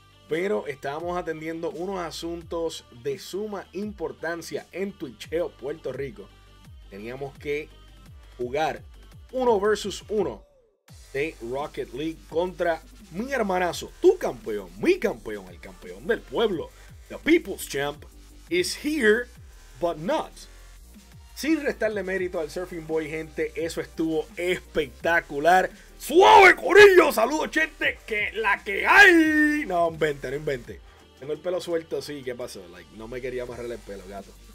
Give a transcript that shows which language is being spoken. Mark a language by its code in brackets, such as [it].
[es] Pero estábamos atendiendo unos asuntos de suma importancia en Twitcheo Puerto Rico. Teníamos que jugar 1v1 de Rocket League contra mi hermanazo, tu campeón, mi campeón, el campeón del pueblo. [en] The People's Champ is here, but not. [es] Sin restarle mérito al Surfing Boy, gente, eso estuvo espectacular. ¡Suave, corillo! ¡Saludos, gente! ¡Que la que hay! No, invente, no invente. Tengo el pelo suelto, sí, ¿qué pasó? Like, no me quería amarrar el pelo, gato.